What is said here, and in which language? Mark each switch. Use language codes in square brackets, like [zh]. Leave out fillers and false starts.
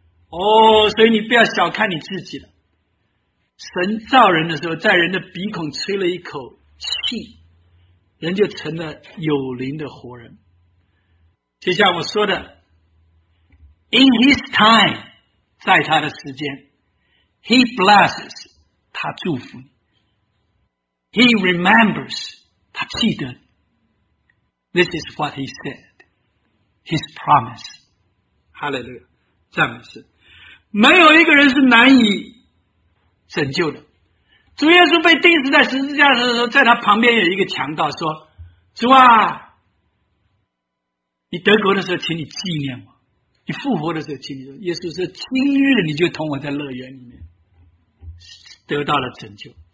[zh] 哦，所以你不要小看你自己了。神造人的时候，在人的鼻孔吹了一口气，人就成了有灵的活人。就像我说的 [en] In his time， [zh] 在他的时间， [en] He blesses， [zh] 他祝福你， [en] He remembers， [zh] 他记得。 [en] This is what he said， His promise。 [zh] Hallelujah， 赞美神。没有一个人是难以拯救的。主耶稣被钉死在十字架的时候，在他旁边有一个强盗说，主啊，你得国的时候请你纪念我，你复活的时候请你说，耶稣说今日你就同我在乐园里面，得到了拯救。